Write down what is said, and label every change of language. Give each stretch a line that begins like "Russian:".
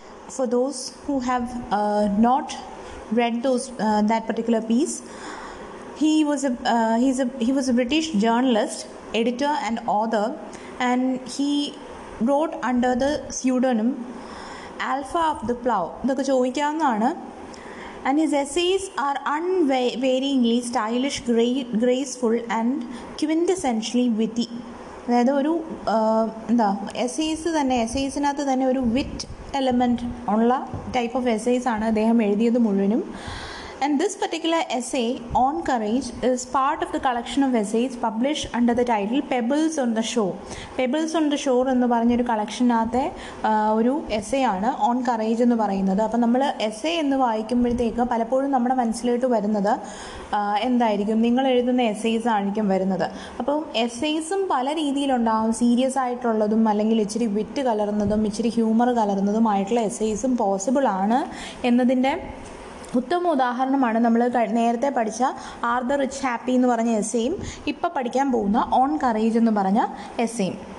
English: For those who have not read that particular piece, he was a British journalist, editor, and author, and he wrote under the pseudonym Alpha of the Plough.
Malayalam: ഇതൊക്കെ ചോദിക്കാവുന്നതാണ്.
English: And his essays are unvaryingly stylish, graceful, and quintessentially witty.
Malayalam: അതായത് ഒരു എന്താ എസേയ്സ് തന്നെ എസേയ്സിനകത്ത് തന്നെ ഒരു വിറ്റ് element ഉള്ള ടൈപ്പ് ഓഫ് എസേയ്സ് ആണ് അദ്ദേഹം എഴുതിയത് മുഴുവനും.
English: And this particular essay, On Courage, is part of the collection of essays published under the title Pebbles on the Shore.
Malayalam: Pebbles on the Shore എന്ന് പറഞ്ഞൊരു കളക്ഷനകത്തെ ഒരു എസേ ആണ് ഓൺ കറേജ് എന്ന് പറയുന്നത്. അപ്പം നമ്മൾ എസേ എന്ന് വായിക്കുമ്പോഴത്തേക്ക് പലപ്പോഴും നമ്മുടെ മനസ്സിലോട്ട് വരുന്നത് എന്തായിരിക്കും, നിങ്ങൾ എഴുതുന്ന എസേയ്സ് ആയിരിക്കും വരുന്നത്. അപ്പം എസേയ്സും പല രീതിയിലുണ്ടാകും. സീരിയസ് ആയിട്ടുള്ളതും അല്ലെങ്കിൽ ഇച്ചിരി വിറ്റ് കലർന്നതും ഇച്ചിരി ഹ്യൂമർ കലർന്നതുമായിട്ടുള്ള എസേയ്സും പോസിബിൾ ആണ് എന്നതിൻ്റെ ഉത്തമ ഉദാഹരണമാണ് നമ്മൾ നേരത്തെ പഠിച്ച ആർ ദ റിച്ച് ഹാപ്പി എന്ന് പറഞ്ഞ എസ്സേയും ഇപ്പോൾ പഠിക്കാൻ പോകുന്ന ഓൺ കറേജ് എന്ന് പറഞ്ഞ എസ്സേയും.